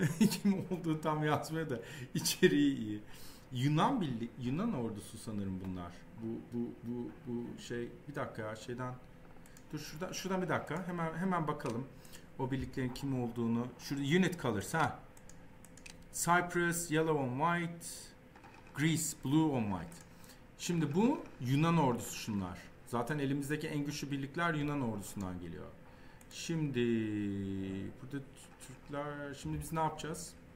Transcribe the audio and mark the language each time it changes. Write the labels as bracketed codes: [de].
[tr] Kim olduğu tam yazmıyor da içeriği iyi. Yunan ordusu sanırım bunlar. Bu şey, bir dakika ya, şeyden dur, şuradan bir dakika. Hemen bakalım o birliklerin kim olduğunu. Şurada [en] unit colors, [tr] ha. [en] Cyprus yellow and white, Greece blue and white. [tr] Şimdi bu Yunan ordusu şunlar. Zaten elimizdeki en güçlü birlikler Yunan ordusundan geliyor. Şimdi burada Türkler, şimdi biz ne yapacağız?